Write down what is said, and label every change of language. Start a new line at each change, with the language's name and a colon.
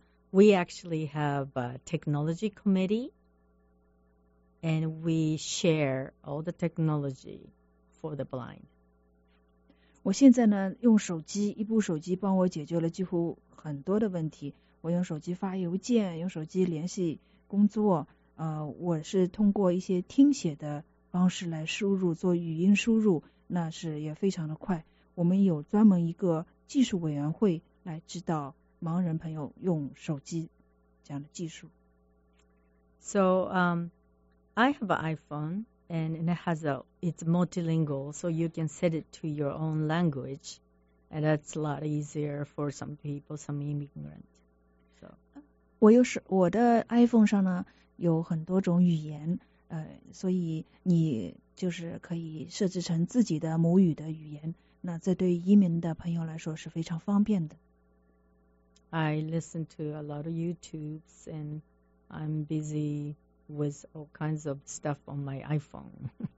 English: We actually have a technology committee, and we share all the technology for the blind.
Chinese: 我现在呢，用手机，一部手机帮我解决了几乎很多的问题。我用手机发邮件，用手机联系工作。我是通过一些听写的方式来输入，做语音输入，那是也非常的快。我们有专门一个技术委员会来指导盲人朋友用手机这样的技术。
English: So, I have an iPhone and it's multilingual, so you can set it to your own language, and that's a lot easier for some people, some immigrants. So,
Chinese: 我的 iPhone 上呢有很多种语言，所以你就是可以设置成自己的母语的语言，那这对移民的朋友来说是非常方便的。
English: I listen to a lot of YouTubes, and I'm busy with all kinds of stuff on my iPhone.